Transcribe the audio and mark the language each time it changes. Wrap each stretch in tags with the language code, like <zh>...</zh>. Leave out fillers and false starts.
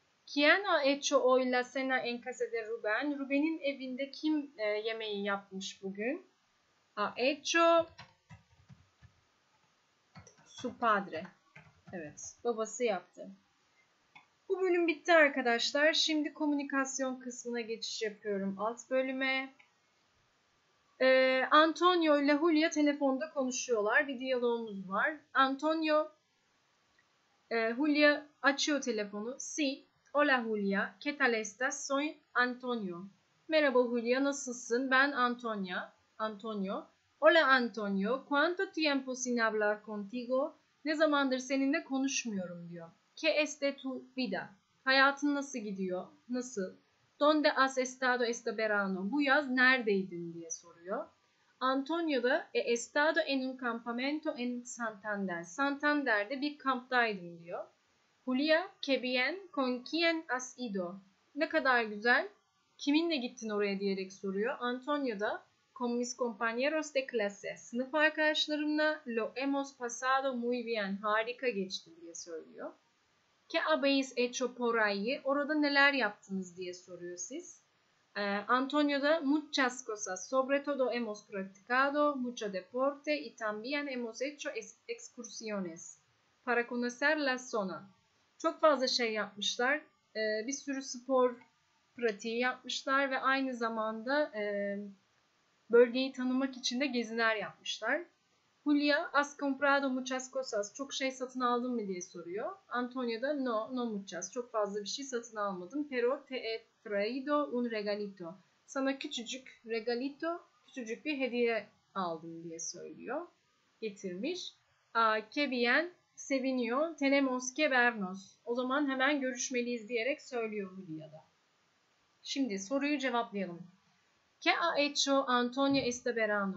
<es>¿Quién ha hecho hoy la cena en casa de Rubén?</es> <tr>Rubén'in evinde kim yemeği yapmış bugün?</tr> <es>Ha hecho su padre.</es> <tr>Evet, babası yaptı. Bu bölüm bitti arkadaşlar. Şimdi komünikasyon kısmına geçiş yapıyorum, alt bölüme. Antonio ile Julia telefonda konuşuyorlar. Bir diyalogumuz var. Antonio, Julia açıyor telefonu.</tr> <es>Sí, hola Julia. ¿Qué tal estás? Soy Antonio.</es> <tr>Merhaba Julia, nasılsın? Ben Antonio.</tr> <es>Hola Antonio, ¿cuánto tiempo sin hablar contigo?</es> <tr>Ne zamandır seninle konuşmuyorum diyor.</tr> <es>¿Qué es de tu vida?</es> <tr>Hayatın nasıl gidiyor? Nasıl?</tr> <es>¿Dónde has estado este verano?</es> <tr>Bu yaz neredeydin diye soruyor.</tr> <es>Antonio da estado en un campamento en Santander.</es> <tr>Santander'de bir kamptaydım diyor. Julia,</tr> <es>¿qué bien? ¿Con quién has ido?</es> <tr>Ne kadar güzel. Kiminle gittin oraya diyerek soruyor. Antonio da</tr> <es>con mis compañeros de clase.</es> <tr>Sınıf arkadaşlarımla</tr> <es>lo hemos pasado muy bien.</es> <tr>Harika geçti diye söylüyor.</tr> <es>¿Qué habéis hecho por ahí?</es> <tr>Orada neler yaptınız diye soruyor siz.</tr> <es>Antonio da muchas cosas. Sobre todo hemos practicado mucho deporte y también hemos hecho excursiones para conocer la zona.</es> <tr>Çok fazla şey yapmışlar. Bir sürü spor pratiği yapmışlar ve aynı zamanda bölgeyi tanımak için de geziler yapmışlar.</tr> <es>Julia, ¿has comprado muchas cosas?</es> <tr>Çok şey satın aldın mı diye soruyor. Antonio da</tr> <es>no, no muchas.</es> <tr>Çok fazla bir şey satın almadım.</tr> <es>Pero te he traído un regalito.</es> <tr>Sana küçücük regalito, küçücük bir hediye aldım diye söylüyor. Getirmiş.</tr> <es>Qué bien,</es> <tr>seviniyor.</tr> <es>Tenemos que vernos.</es> <tr>O zaman hemen görüşmeliyiz diyerek söylüyor Julia da. Şimdi soruyu cevaplayalım.</tr> <es>¿Qué ha hecho Antonio este verano?</es>